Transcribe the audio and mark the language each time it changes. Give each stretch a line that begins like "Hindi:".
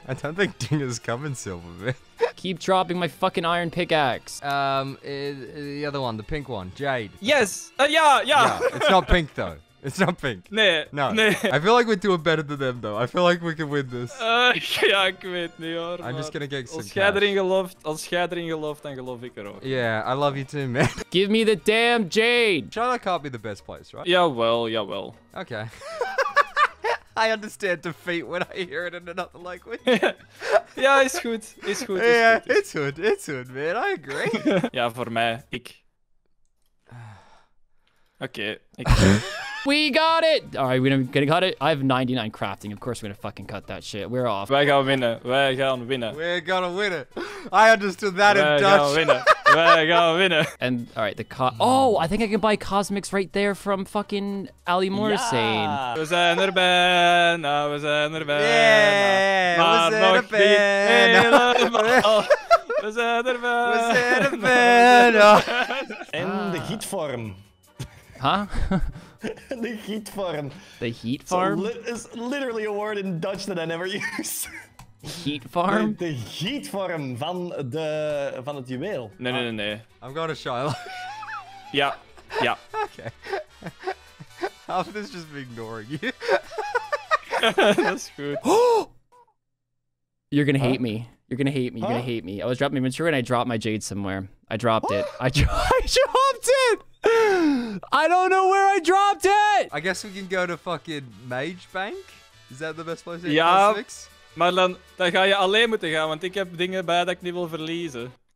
English: I don't think dingers come in silver, man. Keep dropping my fucking iron pickaxe. The other one, the pink one, jade. Yes. Yeah. It's not pink though. It's not pink.
Dutch: Nee.
English: No.
Dutch: Nee.
English: I feel like we're doing better than them though. I feel like we can win this.
Dutch: Ja, ik weet niet hoor.
English: I'm just gonna get some cash.
Dutch: Als jij erin gelooft, dan geloof ik er ook.
English: Yeah, I love you too, man. Give me the damn jade. China can't be the best place, right? Yeah, well. Okay. I understand defeat when I hear it in another language. Yeah, it's good. Yeah, it's good, man. I agree. Yeah, for me, ik. Okay. We got it! Alright, we're gonna cut it. I have 99 crafting. Of course, we're gonna fucking cut that shit. We're off. We're gonna win it. I understood that in Dutch. We're gonna win it. And, alright, the co- Oh, I think I can buy cosmics right there from fucking Ali Morrisane. We're in the band. And the heat form. Huh? The heat farm. The heat farm? It's literally a word in Dutch that I never use. Heat farm?
Dutch: The heat farm van het juweel. Nee.
English: I'm going to Shiloh. Yeah. Okay. Half of this just be ignoring you. That's good. You're going to hate me. You're going to hate me. I was dropping my inventory and I dropped my jade somewhere. I dropped it. I dropped it! I don't know where I dropped it! I guess we can go to fucking Mage Bank? Is that the best place to get cosmics?
Dutch: Ja, maar dan ga je alleen moeten gaan, want ik heb dingen bij dat ik niet wil verliezen.